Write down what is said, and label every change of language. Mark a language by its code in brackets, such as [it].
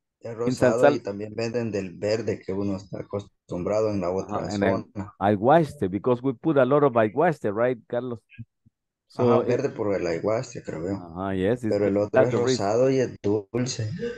[es] Es rosado y también venden del verde que uno está acostumbrado en la otra zona. [en] Ayahuasca, because we put a lot of ayahuasca, right, Carlos? [es] So, ajá, verde por el ayahuasca, creo yo. Ajá, yes. Pero el otro es rosado y es dulce.